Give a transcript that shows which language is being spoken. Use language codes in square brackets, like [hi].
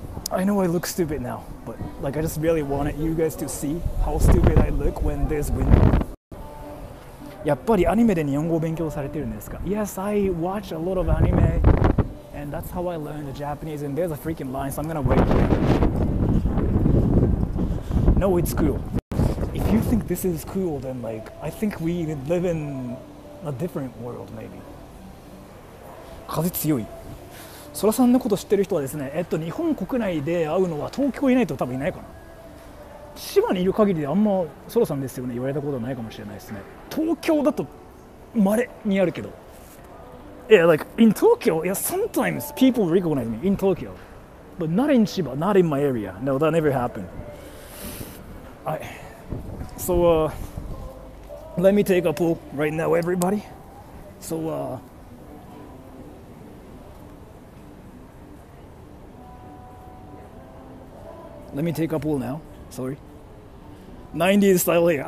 [en] I know I look stupid now, but like I just really wanted you guys to see how stupid I look when there's wind. [ja] やっぱりアニメで日本語を勉強されてるんですか? [en] Yes, I watch a lot of anime, and that's how I learned Japanese, and there's a freaking line, so I'm gonna wait. No, it's cool. If you think this is cool, then like, I think we live in... A different world, maybe. [ja] 風強い。ソラさんのこと知ってる人はですね、日本国内で会うのは東京いないと多分いないかな。千葉にいる限りであんまソラさんですよね、言われたことはないかもしれないですね。東京だと稀にあるけど。 [en] Yeah, like in Tokyo, yeah, sometimes people recognize me in Tokyo. But not in Chiba, not in my area. No, that never happened. So let me take a poll right now, everybody. So let me take a poll now. Sorry. 90s style hair.